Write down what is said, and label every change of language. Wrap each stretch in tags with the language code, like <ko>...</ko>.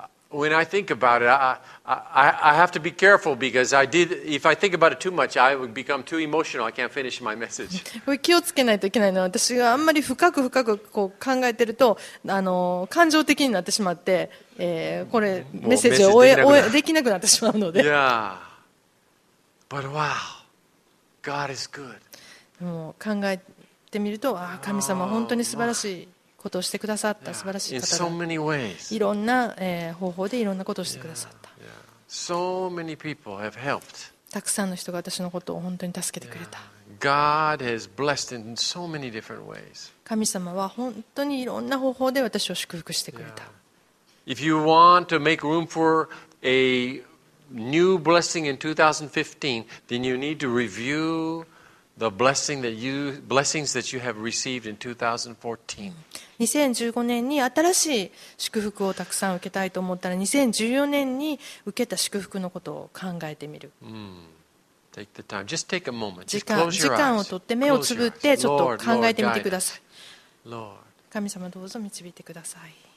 <en>When I think about it, I have to be careful because I did. If I think about it too much, I would become too emotional. I can't finish my message.</en> <ja>これ気をつけないといけないのは、私があんまり深くこう考えてると、感情的になってしまって、これメッセージを終えできなくなってしまうので。</ja> <en>Yeah. But wow, God is good.</en> <ja>もう考えてみると、ああ、神様本当に素晴らしい。ことをしてくださった素晴らしい方が、yeah, いろんな、方法でいろんなことをしてくださった。</ja> <en>Yeah, yeah. So、helped.</en> <ja>たくさんの人が私のことを本当に助けてくれた。</ja> <en>Yeah.</en> <ja>神様は本当にいろんな方法で私を祝福してくれた。</ja> <en>Yeah. If you want to make room for a new blessing in 2015, then you need to review the blessings that you have received in 2014.</en> <ja>2015年に新しい祝福をたくさん受けたいと思ったら、2014年に受けた祝福のことを考えてみる。時間を取って目をつぶってちょっと考えてみてください。神様どうぞ導いてください。</ja>